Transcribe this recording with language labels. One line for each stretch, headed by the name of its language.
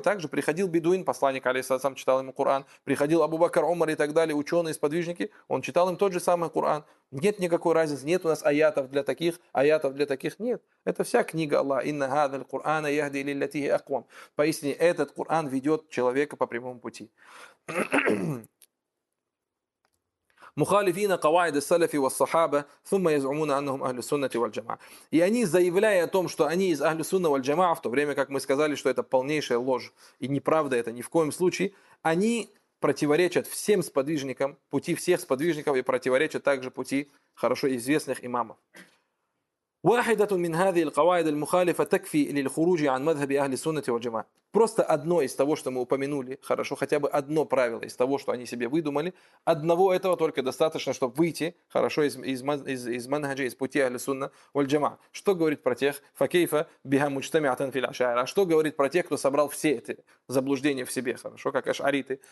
Russian: Также приходил бедуин, посланник алейхиссалям читал ему Коран, приходил Абу Бакр Умар и так далее, ученые, сподвижники, он читал им тот же самый Коран. Нет никакой разницы, нет у нас аятов для таких нет. Это вся книга Аллаха.
Arabic: Инна хадзал Курана яхди лиллатихи акум.
Russian: Поистине, этот Коран ведет человека по прямому пути.
Arabic: مخالفين قواعد السلف والصحابة ثم يزعمون أنهم أهل السنة والجماعة.
Russian: И они заявляя о том, что они из أهل السنة والجماعة, в то время как мы сказали, что это полнейшая ложь и неправда, это ни в коем случае, они противоречат всем сподвижникам, пути всех сподвижников и противоречат также пути хорошо известных имамов.
Arabic: واحدة من هذه القواعد المخالفة تكفي للخروج عن مذهب أهل السنة والجماعة.
Russian: Просто одно из того, что мы упомянули, хорошо, хотя бы одно правило из того, что они себе выдумали, одного этого только достаточно, чтобы выйти, хорошо, из манхаджа, из пути Ахли Сунна валь-джама'а. Что говорит про тех,
Arabic: факейфа биха муджтамиатан филь ашаира?
Russian: А что говорит про тех, кто собрал все эти заблуждения в себе, хорошо, как ашариты?